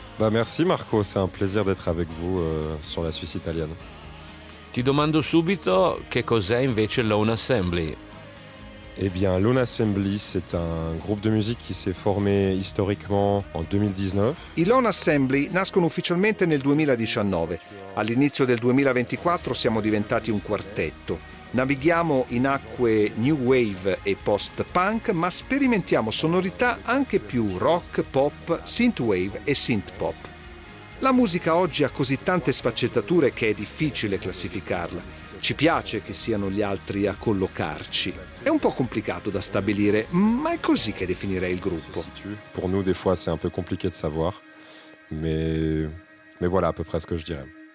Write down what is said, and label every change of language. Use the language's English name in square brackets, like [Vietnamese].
[French] Merci Marco, c'est un plaisir d'être avec vous sur la Suisse italienne. [Italian] Ti domando subito che cos'è invece Lone Assembly. [French] Eh bien, Lone Assembly, c'est un groupe de musique qui s'est formé historiquement en 2019. [Italian] I Lone Assembly nascono ufficialmente nel 2019. All'inizio del 2024 siamo diventati un quartetto. Navighiamo in acque new wave e post-punk, ma sperimentiamo sonorità anche più rock, pop, synthwave e synth-pop. La musica oggi ha così tante sfaccettature che è difficile classificarla. Ci piace che siano gli altri a collocarci. È un po' complicato da stabilire, ma è così che definirei il gruppo. Per noi, [French] des fois, c'est un peu compliqué de savoir, mais voilà à peu près ce que je dirais.